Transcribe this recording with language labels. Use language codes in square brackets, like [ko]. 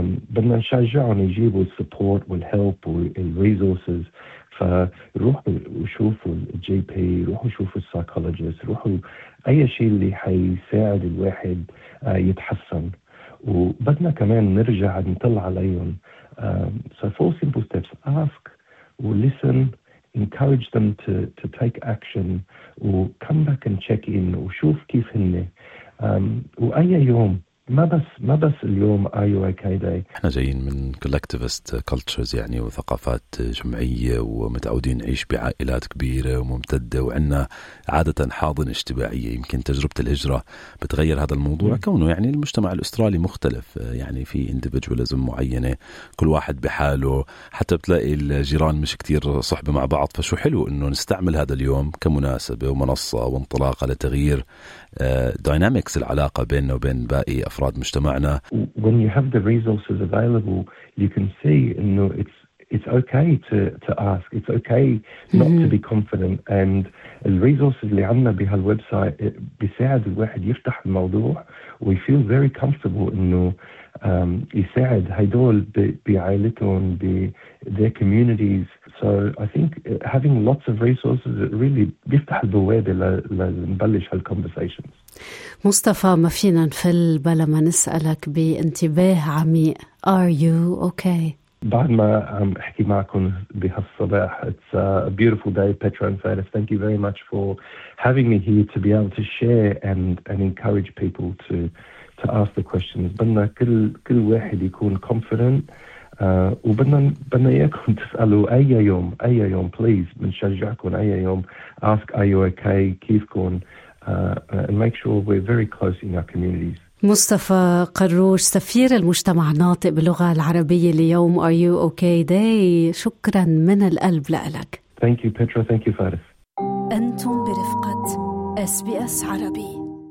[ar] بدنا نشجعهم يجيبوا السبورت والهلب والريزورسز, فروحوا وشوفوا الجي بي, روحوا شوفوا السايكولوجيست, روحوا أي شيء اللي حيساعد الواحد يتحسن. وبدنا كمان نرجع نطلع عليهم. [en] So four simple steps: ask, listen, encourage them to take action, come back and check in [ar] وشوف كيف هني. وأي يوم, ما بس اليوم IUOK Day. احنا جايين من [en] collectivist cultures [ar] يعني وثقافات جمعية, ومتعودين نعيش بعائلات كبيرة وممتدة, وعنا عادة حاضن اجتماعية. يمكن تجربة الهجرة بتغير هذا الموضوع, كونه يعني المجتمع الأسترالي مختلف, يعني في individualism معينة, كل واحد بحاله, حتى بتلاقي الجيران مش كتير صحبة مع بعض. فشو حلو انه نستعمل هذا اليوم كمناسبة ومنصة وانطلاقة لتغيير dynamics العلاقة بيننا وبين باقي أفراد مجتمعنا. [en] When you have the resources available, you can see إنه it's okay to ask. It's okay not to be confident. [ar] And the resources اللي عنا بهالويب سايت بيساعد الواحد يفتح الموضوع ويفيل [en] very comfortable [ar] إنه يساعد هيدول بعائلتهم [en] their communities. So I think having lots of resources really [ar] بيفتح البوابة لنبلش هالconversations. مصطفى, ما فينا نفل بلا ما نسألك بانتباه عميق [en] Are you okay؟ [ar] بعد ما عم أحكي معكم بهالصباح, [en] It's a beautiful day, Petra and Faris. Thank you very much for having me here to be able to share and encourage people to ask the questions. [ar] بدنا كل واحد يكون [en] confident, [ar] وبدنا إياكم تسألوا أي يوم [en] please, [ar] بنشجعكم أي يوم [en] Ask are you okay, [ar] كيفكم, [en] and make sure we're very close in our communities. [ar] مصطفى قروش, سفير المجتمع الناطق باللغة العربية اليوم Are You Okay Day, شكرا من القلب لألك. [en] Thank you Petra, thank you Faris. [ar] أنتم برفقة SBS عربي.